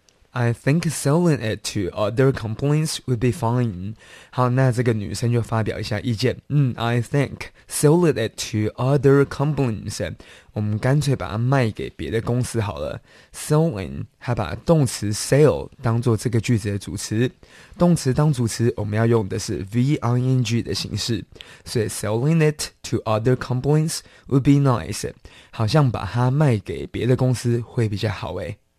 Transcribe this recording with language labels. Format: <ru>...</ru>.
<en>I think selling it to other companies would be fine.</en> <zh>好，那这个女生就发表一下意见。</zh> <en>嗯 ，I think selling it to other companies.</en> <zh>我们干脆把它卖给别的公司好了。 Selling 还把动词 sell 当作这个句子的主词。动词当主词，我们要用的是 ving 的形式。所以</zh> <en>selling it to other companies would be nice.</en> <zh>好像把它卖给别的公司会比较好诶。</zh>